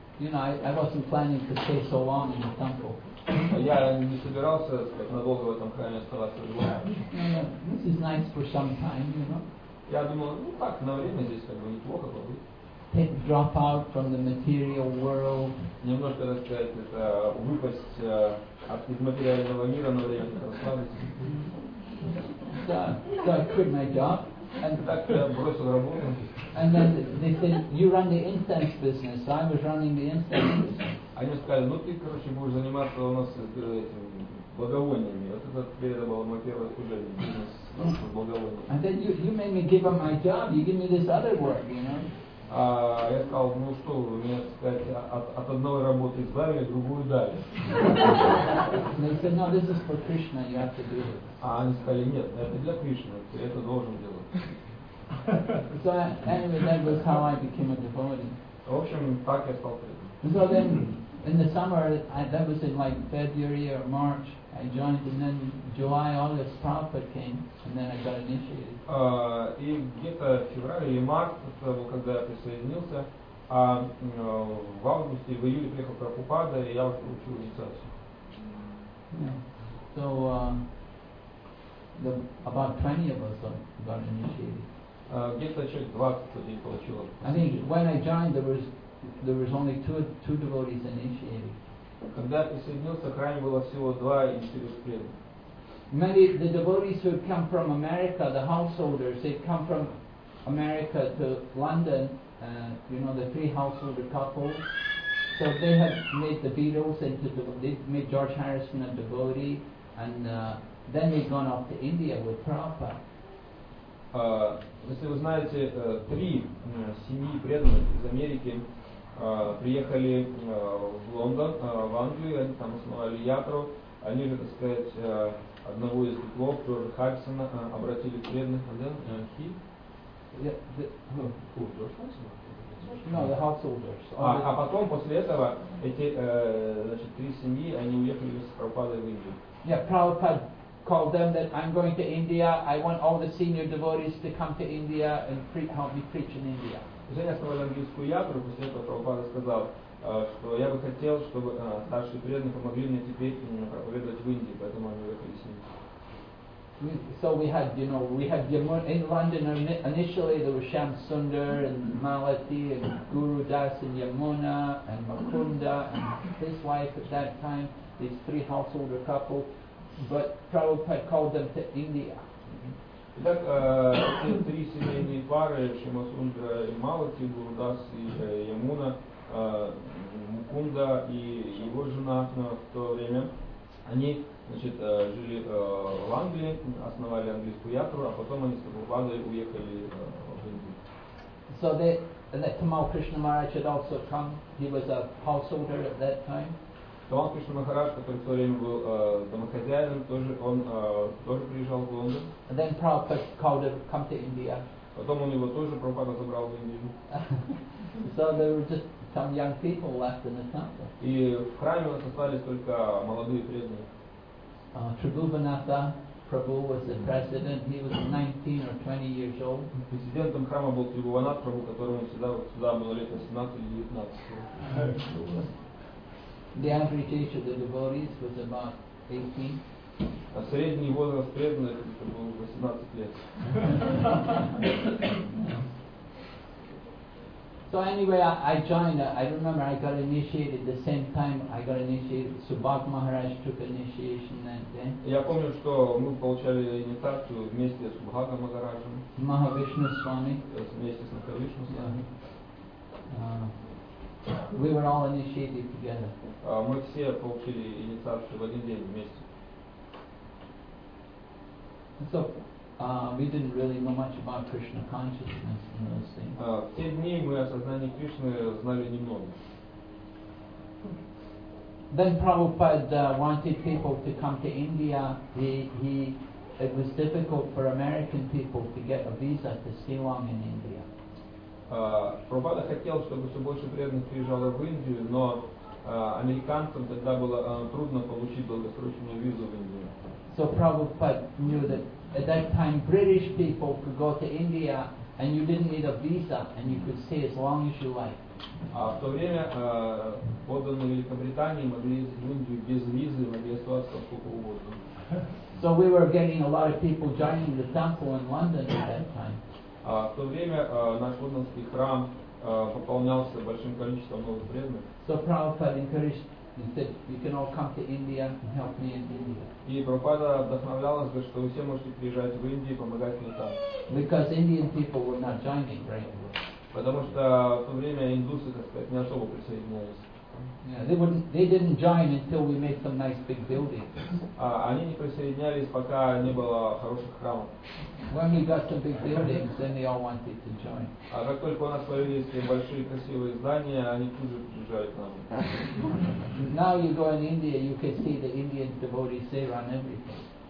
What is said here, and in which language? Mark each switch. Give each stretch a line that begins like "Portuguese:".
English: You know, I wasn't planning to stay so long in the temple.
Russian: Я не собирался надолго в этом храме оставаться.
English: This is nice for some time, you know.
Russian: Я думал, ну так на время здесь как бы неплохо было.
English: Take drop out from the material world.
Russian: Немножко, так сказать, это выпасть из материального мира на время, расслабиться.
English: So I quit my job. And
Russian: так бросил работу.
English: And then they said, "You run the incense business." So I was running the incense business.
Russian: Они сказали: "Ну ты, короче, будешь заниматься у нас этим благовониями." Вот это теперь было мое первое служение, бизнес благовониями.
English: And then you made me give up my job. You give me this other work, you know.
Russian: А я сказал, ну что, у меня, так сказать, от одной работы избавили, другую дали.
English: They said, no, this is for Krishna, you have to do it.
Russian: А они сказали, нет, это для Кришны, ты это должен делать.
English: So anyway, that was how I became a devotee.
Russian: В общем, так я стал преданным.
English: So then, in the summer, that was in like February or March, I joined, and then July, August, Prabhupada came, and then I got initiated.
Russian: И где-то в феврале или март, это был, когда я присоединился, а в августе, в июле приехал Прабхупада, и я уже получил инициацию.
English: So, about 20 of us got initiated.
Russian: Где-то человек 20 людей получило.
English: I think when I joined, there was only two devotees initiated.
Russian: Когда я присоединился, к ранее было всего два интересных преданных.
English: Many of the devotees who come from America, the householders, they come from America to London, you know, the three householder couples. So they had made the Beatles into they made George Harrison a devotee, and then they've gone off to India with Prabhupada.
Russian: Если вы знаете, три семьи преданных из Америки приехали в Лондон, в Англию, они там основали ятру, они же, так сказать, одного из двух, Джорджа Харрисона, обратили в преданных,
English: and then he? Yeah, who? George Harrison? No, the householders.
Russian: А потом, после этого, эти значит, три семьи, они уехали с Прабхупадой в Индию.
English: Yeah, Prabhupada called them that I'm going to India, I want all the senior devotees to come to India and help me preach in India.
Russian: Женя основала английскую ятру, после этого Прабхупада сказал, что я бы хотел, чтобы старшие преданные помогли мне теперь проповедовать в Индии, поэтому они уехали с ними.
English: So we had, you know, we had in London initially there was Shyam Sundar and Malati and Guru Das and Yamuna and Makunda and his wife at that time, these three householder couple, but Prabhupada called them to India.
Russian: Итак, эти три семейные пары, Шима Сундра и Малати, Гурдас и Ямуна, Мукунда и его жена в то время, они, значит, жили в Англии, основали английскую ятру, а потом они с Прабхупадой уехали в Индию.
English: So that Tamal Krishna Maharaj had also come, he was a householder at that time.
Russian: Tamal Krishna Maharaj, который в то время был домохозяином, тоже он тоже приезжал в Лондон.
English: And then Prabhupada called him come to India.
Russian: Потом у него тоже Прабхупада забрал в Индию.
English: So there were just some young people left in the temple.
Russian: И в храме у нас остались только молодые преданные.
English: Tribhuvanatha Prabhu was the president. He was 19 or 20 years old.
Russian: Президентом храма был Tribhuvanatha Prabhu, которому всегда было лет 18 или 19.
English: The average age of the devotees was about 18.
Russian: А средний возраст преданных это был 18 лет.
English: So anyway, I joined. I remember I got initiated the same time I got initiated. Subhag Maharaj took initiation that day.
Russian: Я помню, что мы получали инициацию вместе с Субхагом Махараджем. Махавишну Свами. Вместе с Махавишну Свами.
English: We were all initiated together.
Russian: Мы все получили инициацию в один день вместе.
English: So, we didn't really know much about Krishna consciousness in those things.
Russian: В те дни мы о сознании Кришны знали немного.
English: Then Prabhupada wanted people to come to India. It was difficult for American people to get a visa to Siwang in India.
Russian: Prabhupada хотел, чтобы все больше преданных приезжало в Индию, но американцам тогда было трудно получить долгосрочную визу в Индию.
English: So Prabhupada knew that at that time British people could go to India and you didn't need a visa and you could stay as long as you like.
Russian: А в то время подданные Великобритании могли ездить в Индию без визы, могли оставаться сколько угодно.
English: So we were getting a lot of people joining the temple in London at that time.
Russian: В то время наш лондонский храм пополнялся большим количеством новых преданных.
English: So Prabhupada encouraged and said, "You can all come to India and help me in India."
Russian: И Прабхупада вдохновлялась, говорит, что вы все можете приезжать в Индию и помогать мне там.
English: Because Indian people were not joining right away.
Russian: Потому что в то время индусы, так сказать, не особо присоединялись.
English: They didn't join until we made some nice big buildings.
Russian: Они не присоединялись, пока не было хороших храмов.
English: When we got some big buildings, then they all wanted to join.
Russian: А как только у нас появились большие красивые здания, они тут же приезжают к нам.
English: Now you go in India, you can see the Indian devotees say on everything.